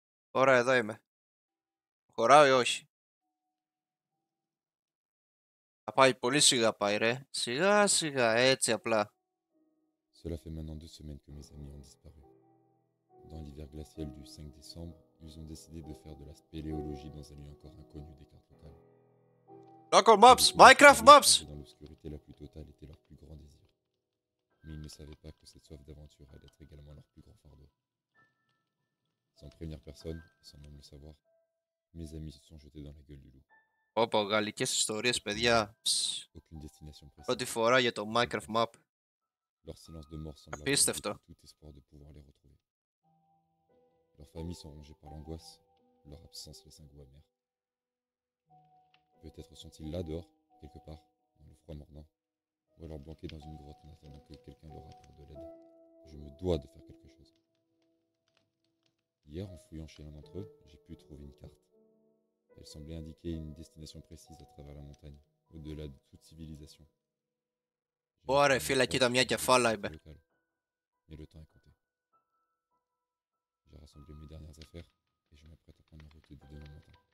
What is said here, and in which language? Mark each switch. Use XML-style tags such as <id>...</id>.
<el>Ωραία, εδώ είμαι. Χωράω ή όχι. Θα πάει πολύ σιγά πάει ρε. Σιγά σιγά, έτσι απλά.</el> <fr>Cela fait maintenant deux semaines que mes amis ont disparu. Dans l'hiver glacial du 5 décembre, ils ont décidé de faire de la spéléologie dans un lieu encore inconnu des cartes locales.</fr> <en>Local maps, Minecraft maps.</en> <fr>Dans l'obscurité la plus totale était leur plus grand désir. Mais ils ne savaient pas que cette soif d'aventure allait être également leur plus grand fardeau. Sans prévenir personne, sans même le savoir, mes amis se sont jetés dans la gueule du loup.</fr> <el>Opa, γαλλικές ιστορίες, παιδιά.</el> <fr>Aucune destination précise.</fr> <el>Πρώτη φορά για το Minecraft map.</el> <fr>Leur silence de mort semble apaisé tout espoir de pouvoir les retrouver. Leurs familles sont rongées par l'angoisse, leur absence laisse un goût amer. Peut-être sont-ils là dehors, quelque part, dans le froid mordant, ou alors banqués dans une grotte en attendant que quelqu'un leur apporte de l'aide. Je me dois de faire quelque chose. Hier, en fouillant chez l'un d'entre eux, j'ai pu trouver une carte. Elle semblait indiquer une destination précise à travers la montagne, au-delà de toute civilisation.</fr> <el>Ωραία, φίλα, κοίτα μια κεφάλα, είπε.</el> <fr>Mais le temps est compté. J'ai rassemblé mes dernières affaires, et je m'apprête à prendre ma route de demain matin.</fr>